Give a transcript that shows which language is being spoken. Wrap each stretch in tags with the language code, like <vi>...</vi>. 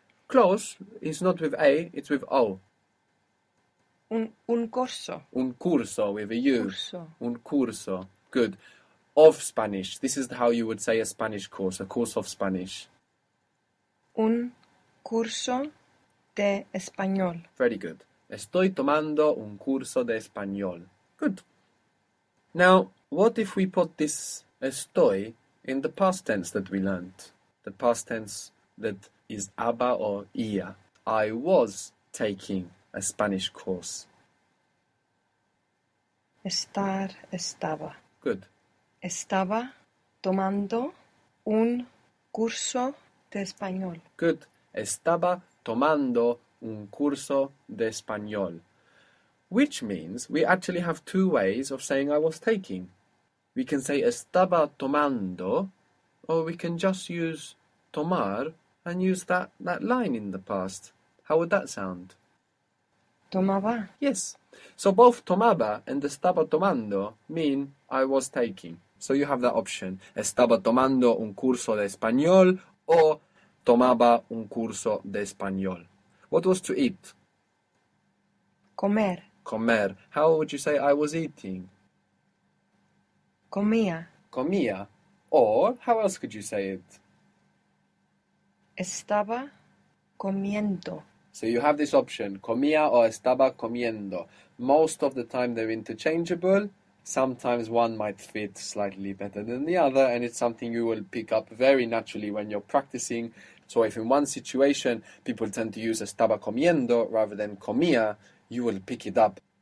<en>Close. It's not with A, it's with O.</en> <es>Un curso. Un curso,</es> <en>with a U.</en> <es>Curso. Un curso.</es> <en>Good. Of Spanish. This is how you would say a Spanish course, a course of Spanish.</en> <es>Un curso de español.</es> <en>Very good.</en> <es>Estoy tomando un curso de español.</es> <en>Good. Now, what if we put this estoy in the past tense that we learned? The past tense that is haba or ia. I was taking a Spanish course.</en> <es>Estar, estaba.</es> <en>Good.</en> <es>Estaba tomando un curso de español. Good. Estaba tomando un curso de español.</es> <en>Which means we actually have two ways of saying I was taking. We can say</en> <es>estaba tomando,</es> <en>or we can just use tomar and use that line in the past. How would that sound?</en> <es>Tomaba.</es> <en>Yes. So both tomaba and</en> <es>estaba tomando</es> <en>mean I was taking. So you have that option.</en> <es>Estaba tomando un curso de español o tomaba un curso de español.</es> <en>What was to eat?</en> <es>Comer. Comer.</es> <en>How would you say I was eating?</en> <es>Comía. Comía.</es> <en>Or how else could you say it?</en> <es>Estaba comiendo.</es> <en>So you have this option, comía or</en> <es>estaba comiendo.</es> <en>Most of the time they're interchangeable. Sometimes one might fit slightly better than the other, and it's something you will pick up very naturally when you're practicing. So if in one situation people tend to use</en> <es>estaba comiendo</es> <en>rather than comía, you will pick it up.</en>